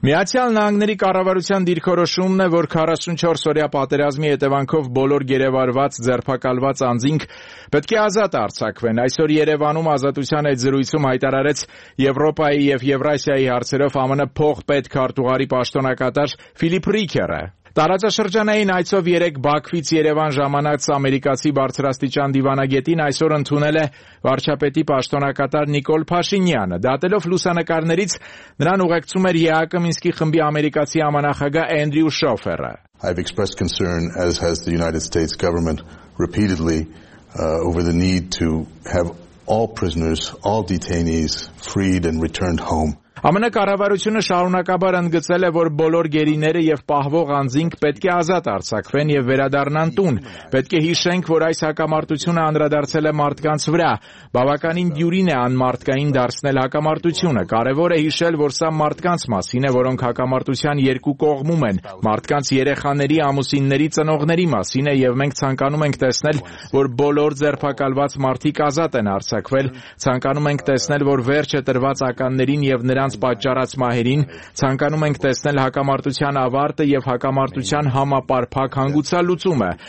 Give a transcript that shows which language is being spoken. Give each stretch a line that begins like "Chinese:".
Armenian: Միացյալ Նահանգների կառավարության դիրքորոշում է, որ 44 օրյա պատերազմի հետևանքով բոլոր գերեվարված, ձերբակալված անձինք պետք է ազատ արձակվեն։ Այսօր Երևանում ազատության այդ զրույցում հայտարարեց Եվրոպայի և Եվրասիայի հարցերով ԱՄՆ փող պետքարտուղարի պաշտոնակատար Ֆիլիպ Ռիկերը։ Տարածաշրջանային այցով 3 Բաքվից Երևան ժամանած ամերիկացի բարձրաստիճան դիվանագետին այսօր ընդունել է վարչապետի պաշտոնակատար Նիկոլ Փաշինյանը։ Դատելով լուսանկարներից, նրան ուղեկցում էր ԵԱԿ Մինսկի խմբի ամերիկացի համանախագահ Անդրյու Շոֆերը։
English: I've expressed concern, as has the United States government, repeatedly over the need to have all prisoners, all detainees freed and returned home.
Armenian: ԱՄՆ կառավարությունը շարունակաբար ընդգծել է, որ բոլոր գերիները և պահվող անձինք պետք է ազատ արձակվեն և վերադառնան տուն։ Պետք է հիշենք, որ այս հակամարտությունը անդրադարձել է մարդկանց վրա։ Բավականին դյուրին է անմարդկային դարձնել հակամարտությունը։ Կարևոր է հիշել, որ սա մարդկանց մասին է, որոնք հակամարտության երկու կողմում են, մարդկանց երեխաների, ամուսինների, ծնողների մասին է, և մենք ցանկանում ենք տեսնել, որ բոլոր ձերբակալված մարդիկ ազատ են արձակվել, ցանկանում ենք տեսնել, որ վերջը տրված ականներին և նրանց պատճառած մահերին, ցանկանում ենք տեսնել հակամարտության ավարտը և հակամարտության համապարփակ հանգուցալուծումը։